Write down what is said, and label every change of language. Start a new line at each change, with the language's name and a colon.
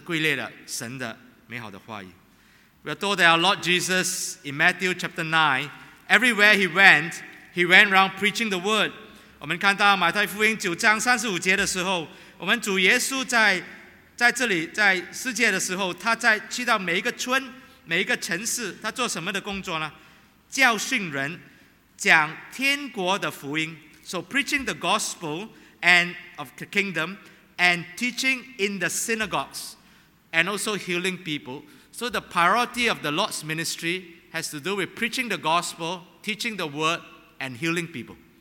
Chinese: 就是用讲道的时间是来讲些消遣，就是笑话，讲到世界的一些事情，但是归类了神的美好的话语。
English: We are told that our Lord Jesus in Matthew chapter 9, everywhere he went around preaching the word.
Chinese: 我们看到马太福音9:35，我们主耶稣在这里在世界的时候，他在去到每一个村、每一个城市，他做什么的工作呢？教训人，讲天国的福音，
English: so preaching the gospel and of the kingdom, and teaching in the synagogues, and also healing people. So the priority of the Lord's ministry has to do with preaching the gospel, teaching the word, and healing people.